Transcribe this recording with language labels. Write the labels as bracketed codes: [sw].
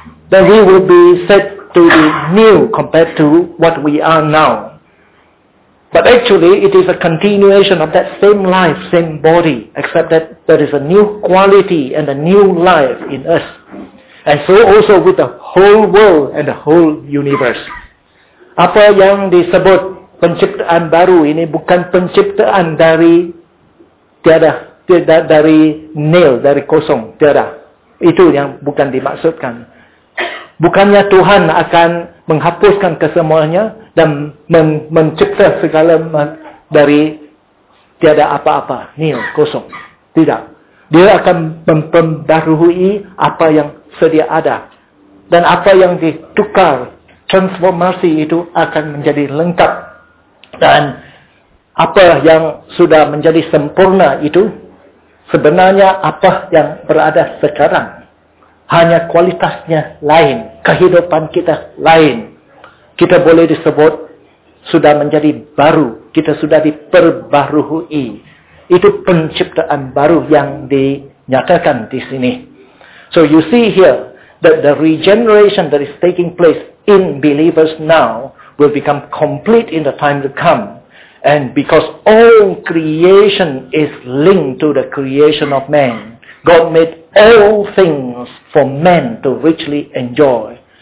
[en] Then we will be said to be new compared to what we are now. But actually, it is a continuation of that same life, same body, except that there is a new quality and a new life in us. And so also with the whole world and the whole universe. [ms] Apa yang disebut penciptaan baru ini bukan penciptaan dari tiada. Tidak dari nil, dari kosong, tiada. Itu yang bukan dimaksudkan. Bukannya Tuhan akan menghapuskan kesemuanya dan mencipta segala dari tiada apa-apa, nil, kosong. Tidak. Dia akan memperbarui apa yang sedia ada. Dan apa yang ditukar, transformasi itu akan menjadi lengkap. Dan apa yang sudah menjadi sempurna itu, sebenarnya apa yang berada sekarang, hanya kualitasnya lain, kehidupan kita lain. Kita boleh disebut sudah menjadi baru, kita sudah diperbarui. Itu penciptaan baru yang dinyatakan di sini. [en] So you see here that the regeneration that is taking place in believers now will become complete in the time to come. And because all creation is linked to the creation of man, God made all things for man to richly enjoy.